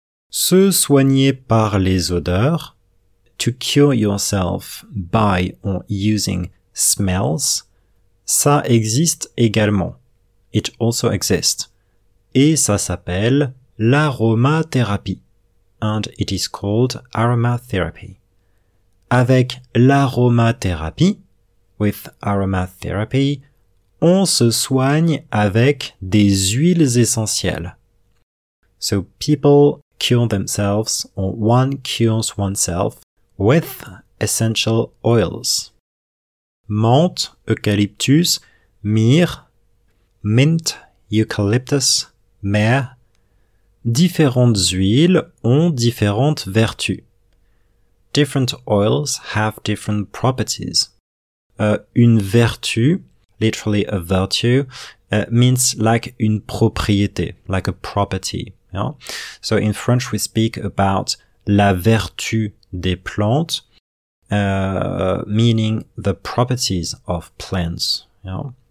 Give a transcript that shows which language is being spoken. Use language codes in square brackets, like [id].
[fr] Se soigner par les odeurs, [en] to cure yourself by or using smells, [fr] ça existe également. [en] It also exists. [fr] Et ça s'appelle l'aromathérapie. [en] And it is called aromatherapy. [fr] Avec l'aromathérapie, [en] with aromatherapy, [fr] on se soigne avec des huiles essentielles. [en] So people cure themselves, or one cures oneself, with essential oils. [fr] Menthe, eucalyptus, myrrhe, mint, eucalyptus, myrrhe. Différentes huiles ont différentes vertus. [en] Different oils have different properties. [fr] Une vertu, [en] literally a virtue, means like [fr] une propriété, [en] like a property. Yeah? So in French we speak about [fr] la vertu des plantes, [en] meaning the properties of plants. Yeah?